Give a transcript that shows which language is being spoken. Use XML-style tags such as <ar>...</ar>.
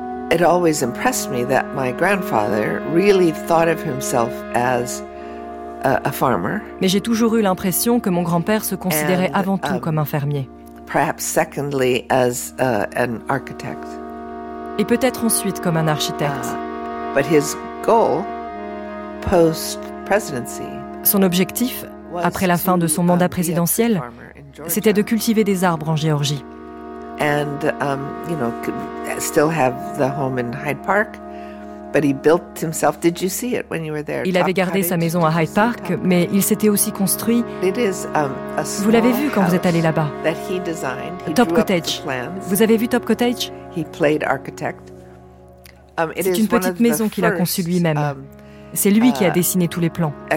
<en>It always impressed me that my grandfather really thought of himself as a farmer.</en> <fr>Mais j'ai toujours eu l'impression que mon grand-père se considérait avant tout comme un fermier.</fr> <en>Perhaps secondly as an architect.</en> <fr>Et peut-être ensuite comme un architecte.</fr> <en>But his goal post-presidency.</en> <fr>Son objectif après la fin de son mandat présidentiel, c'était de cultiver des arbres en Géorgie.</fr> <en>And you know, still have the home in Hyde Park, but he built himself. Did you see it when you were there?</en> <fr>Il avait gardé sa maison à Hyde Park, mais il s'était aussi construit. Vous l'avez vu quand vous êtes allé là-bas. Top Cottage. Vous avez vu Top Cottage?</fr> <en>He played architect.</en> <fr>C'est une petite maison qu'il a conçue lui-même. C'est lui qui a dessiné tous les plans.</fr>